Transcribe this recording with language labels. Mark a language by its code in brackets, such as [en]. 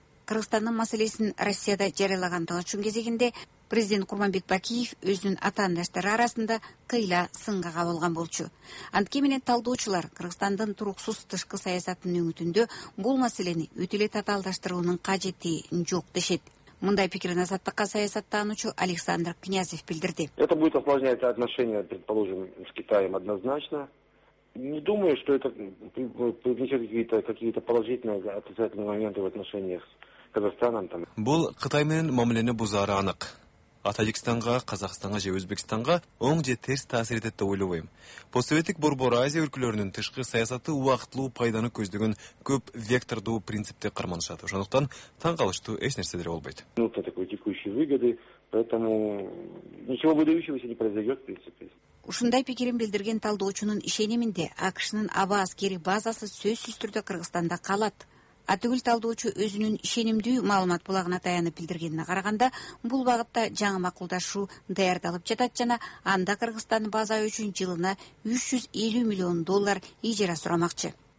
[ky] Кыргызстандын маселесин Россияда жарыялагандыгы үчүн кезегинде президент Курманбек Бакиев өзүнүн атаандаштары арасында кыйла сынга кабылган болчу. Антке менен талдоочулар Кыргызстандын туруксуз тышкы саясатынын өңүтүндө бул маселени өтө эле татаалдаштырууунун кажети жок дешет. Мындай пикирин азаттыкка саясаттануучу Александр Князев билдирди. [ru] Это будет осложнять отношения, предположим, с Китаем однозначно. Не думаю, что это принесет какие-то положительные отрицательные моменты в отношениях с Казахстаном. [ky] Бул Кытай менен мамилени бузары анык. Таджикстанга, Казахстанга же Өзбекстанга оң же терс таасир этет деп ойлобойм. Постсоветтик борбор Азия өлкөлөрүнүн тышкы саясаты убактылуу пайданы көздөгөн көп вектордуу принципте карманышат. Ошондуктан таң калыштуу эч нерселер болбойт. [ru] Вот это текущие выгоды, поэтому ничего выдающегося не произойдет, в принципе. [ky] Ушундай пикирин билдирген талдоочунун ишениминде АКШнын аба аскери базасы сөзсүз түрдө Кыргызстанда калат. Атүгүл талдоочу өзүнүн ишенимдүү маалымат булагына таянып билдиргенине караганда, бул багытта жаңы макулдашуу даярдалып жатат жана анда Кыргызстан база үчүн жылына 350 миллион доллар ижара сурамакчы.